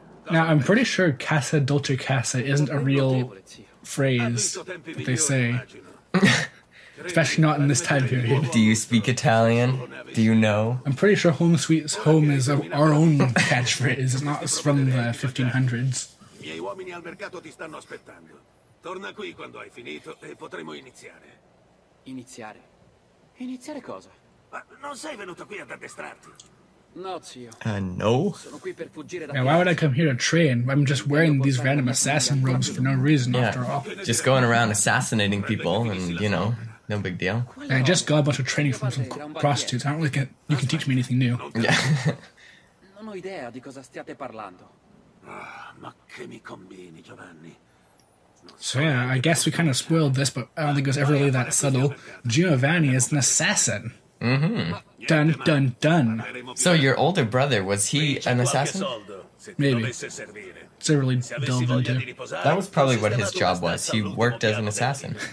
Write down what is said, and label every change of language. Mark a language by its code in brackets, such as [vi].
[en] Now, I'm pretty sure [it] casa dolce casa [en] isn't a real phrase that they say. Especially not in this time period. Do you speak Italian? Do you know? I'm pretty sure home sweet home is our own catchphrase. It's not from the 1500s. [it] Miei uomini al mercato ti stanno aspettando. Torna qui quando hai finito e potremo iniziare. Iniziare? Iniziare cosa? Ma non sei venuto qui ad addestrarti? No, zio. No? [en] Yeah, why would I come here to train? I'm just wearing these random assassin robes for no reason, yeah, after all. Just going around assassinating people and, you know, no big deal. I just got a bunch of training from some prostitutes. I don't really get... You can teach me anything new. [it] Non ho idea di cosa stiate parlando. Ma che mi combini, Giovanni? [en] So yeah, I guess we kind of spoiled this, but I don't think it was ever really that subtle. Giovanni is an assassin. Mm-hmm. Dun, dun, dun. So your older brother, was he an assassin? Maybe. It's a really dull one, too. That was probably what his job was. He worked as an assassin.